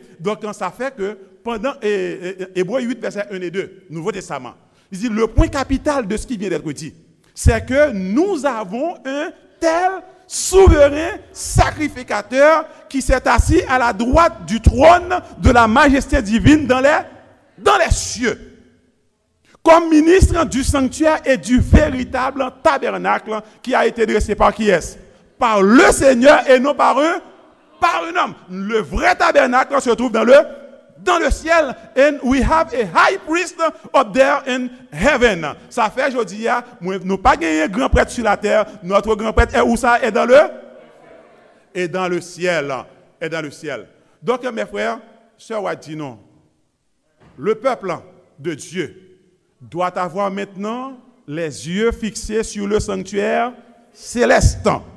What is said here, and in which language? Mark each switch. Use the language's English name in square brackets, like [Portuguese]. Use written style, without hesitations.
[French] Donc, ça fait que pendant Hébreux 8, verset 1 et 2, Nouveau Testament, il dit le point capital de ce qui vient d'être dit, c'est que nous avons un tel souverain sacrificateur qui s'est assis à la droite du trône de la majesté divine dans les cieux. comme ministre du sanctuaire et du véritable tabernacle qui a été dressé par qui est-ce? Par le Seigneur et non par un? Par un homme. Le vrai tabernacle se trouve dans le ciel. [English] And we have a high priest up there in heaven. [French] Ça fait, je dis, nous n'avons pas gagné grand prêtre sur la terre. Notre grand prêtre est où ça? Est dans le? Et dans le ciel. Et dans le ciel. Donc, mes frères, sœur White dit non. Le peuple de Dieu doit avoir maintenant les yeux fixés sur le sanctuaire céleste.